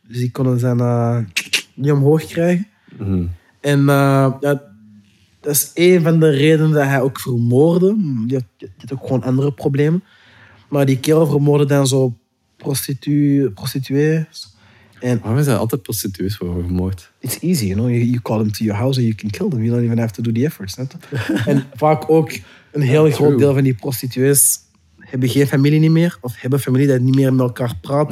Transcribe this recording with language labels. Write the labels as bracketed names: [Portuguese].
[Dutch] Dus die konden zijn niet omhoog krijgen. Mm-hmm. En dat is een van de redenen dat hij ook vermoordde. Die had ook gewoon andere problemen. Maar die kerel vermoordde dan zo prostituees. Waarom zijn er altijd prostituees voor vermoord? [English] It's easy, you know. You call them to your house and you can kill them. You don't even have to do the efforts. [Dutch] En vaak ook een heel groot deel van die prostituees hebben geen familie niet meer. Of hebben familie dat niet meer met elkaar praat.